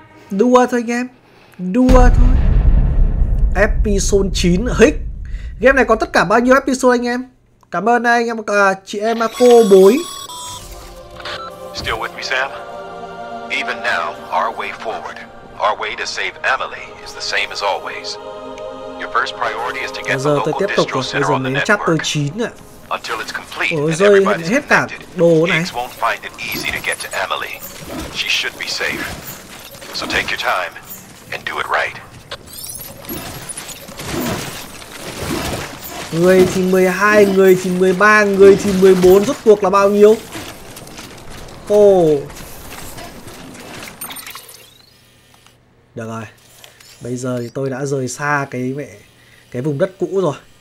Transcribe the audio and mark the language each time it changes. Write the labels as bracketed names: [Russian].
[Vietnamese] Đua thôi anh em. Đua thôi. Episode 9 Hick. Game này có tất cả bao nhiêu episode anh em? Cảm ơn anh em, chị em cô bối. [English] Still with me, Sam? Even now, our way forward, our way to save Emily is the same as always. Your first priority is to get the local distro center on the network. Until it's complete and everybody's connected, Higgs won't find it easy to get to Emily. She should be safe. So take your time and do it right. [Vietnamese] Người thì 12, người thì 13, người thì 14, rốt cuộc là bao nhiêu? Ồ. Được rồi. Bây giờ thì tôi đã rời xa cái vùng đất cũ rồi.